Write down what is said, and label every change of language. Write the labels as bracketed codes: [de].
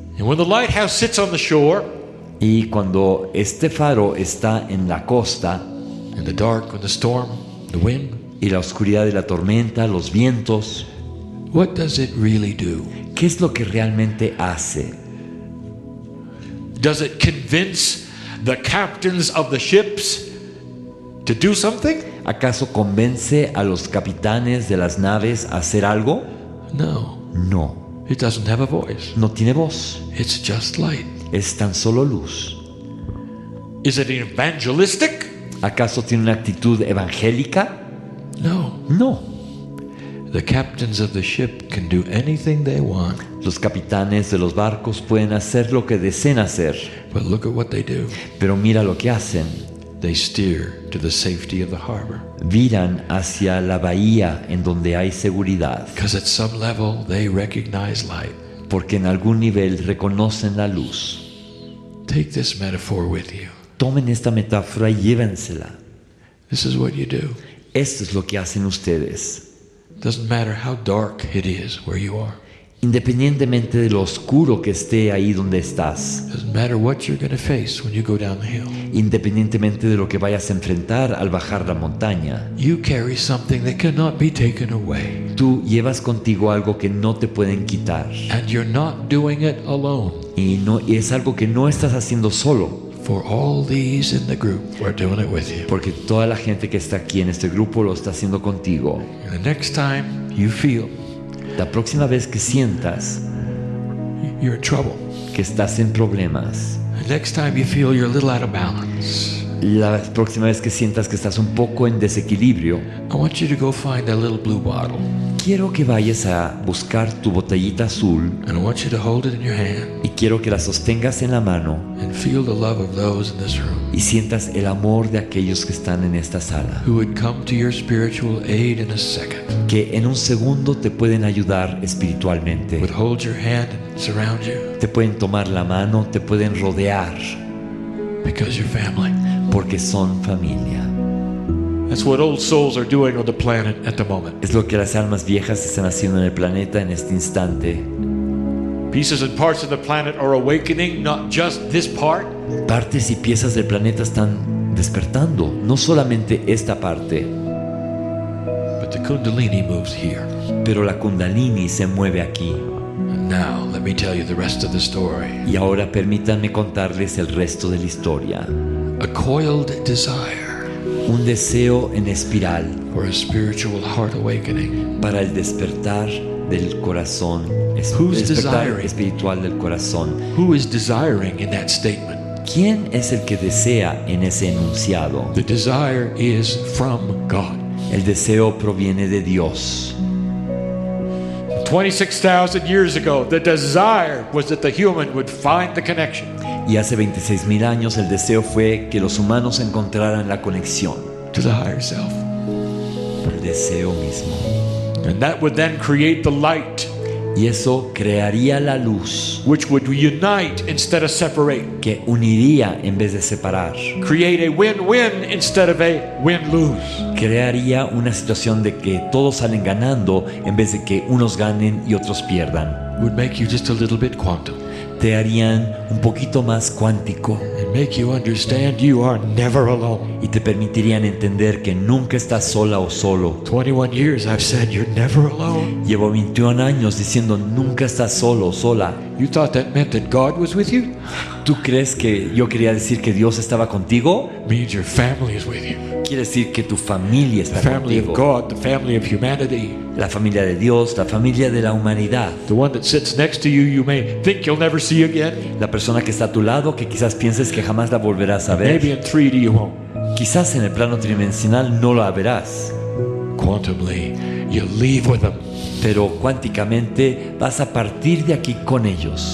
[en] And when the lighthouse sits on the shore, [es] y cuando este faro está en la costa, [en] in the dark, in the storm, the wind, [es] y la oscuridad de la tormenta, los vientos, [en] what does it really do? [es] ¿Qué es lo que realmente hace? [en] Does it convince the captains of the ships to do something? [es] ¿Acaso convence a los capitanes de las naves a hacer algo? [en] No. [es] No. [en] It doesn't have a voice. [es] No tiene voz. [en] It's just light. [es] Es tan solo luz. [en] Is it evangelistic? [es] ¿Acaso tiene una actitud evangélica? [en] No. [es] No. [en] The captains of the ship can do anything they want. [es] Los capitanes de los barcos pueden hacer lo que deseen hacer. [en] But look at what they do. [es] Pero mira lo que hacen. [en] They steer to the safety of the harbor. [es] Viran hacia la bahía en donde hay seguridad. [en] Because at some level they recognize light. [es] Porque en algún nivel reconocen la luz. [en] Take this metaphor with you. [es] Tomen esta metáfora y llévensela. [en] This is what you do. [es] Esto es lo que hacen ustedes. [en] Doesn't matter how dark it is where you are. [es] Independientemente de lo oscuro que esté ahí donde estás. [en] Doesn't matter what you're going to face when you go down the hill. [es] Independientemente de lo que vayas a enfrentar al bajar la montaña. [en] You carry something that cannot be taken away. [es] Tú llevas contigo algo que no te pueden quitar. [en] And you're not doing it alone. [es] Y no, es algo que no estás haciendo solo. [en] For all these in the group, we're doing it with you. [es] Porque toda la gente que está aquí en este grupo lo está haciendo contigo. [en] And the next time you feel, [es] la próxima vez que sientas [en] you're in trouble, [es] que estás en problemas, [en] next time you feel you're a little out of balance, [es] la próxima vez que sientas que estás un poco en desequilibrio, [en] I want you to go find a little blue bottle. [es] Quiero que vayas a buscar tu botellita azul, [en] and I want you to hold it in your hand, [es] y quiero que la sostengas en la mano, [en] and feel the love of those in this room, [es] y sientas el amor de aquellos que están en esta sala, [en] who would come to your spiritual aid in a second, [es] que en un segundo te pueden ayudar espiritualmente, [en] would hold your hand and surround you, [es] te pueden tomar la mano, te pueden rodear, [en] because you're family, [es] porque son familia. [en] That's what old souls are doing on the planet at the moment. [es] Es lo que las almas viejas están haciendo en el planeta en este instante. [en] Pieces and parts of the planet are awakening, not just this part. [es] Partes y piezas del planeta están despertando, no solamente esta parte. [en] But the Kundalini moves here. [es] Pero la Kundalini se mueve aquí. [en] Now, let me tell you the rest of the story. [es] Y ahora permítanme contarles el resto de la historia. [en] A coiled desire. [es] Un deseo en espiral. [en] For a spiritual heart awakening. [es] Para el despertar del corazón. [en] Who's desiring? [es] Espiritual del corazón. [en] Who is desiring in that statement? [es] ¿Quién es el que desea en ese enunciado? [en] The desire is from God. [es] El deseo proviene de Dios. [en] 26,000 years ago, the desire was that the human would find the connection. [es] Y hace 26,000 años, el deseo fue que los humanos encontraran la conexión. [en] To the higher self. [es] El deseo mismo. [en] And that would then create the light. [es] Y eso crearía la luz. [en] Which would unite instead of separate. [es] Que uniría en vez de separar. [en] Create a win-win instead of a win-lose. [es] Crearía una situación de que todos salen ganando en vez de que unos ganen y otros pierdan. [en] Would make you just a little bit quantum. [es] Te harían un poquito más cuántico. [en] And make you understand you are never alone. [es] Y te permitirían entender que nunca estás sola o solo. [en] 21 years I've said you're never alone. [es] Llevo 21 años diciendo nunca estás solo o sola. [en] You thought that meant that God was with you? [es] ¿Tú crees que yo quería decir que Dios estaba contigo? [en] Means your family is with you. [es] Quiere decir que tu familia está [en] the family [es] contigo. [en] Of God, the family of humanity. [es] La familia de Dios, la familia de la humanidad. [en] The one that sits next to you, you may think you'll never see again. [es] La persona que está a tu lado, que quizás pienses que jamás la volverás a ver. [en] Maybe in 3D you won't. [es] Quizás en el plano tridimensional no la verás. [en] Quantumly, you leave with them. [es] Pero cuánticamente vas a partir de aquí con ellos.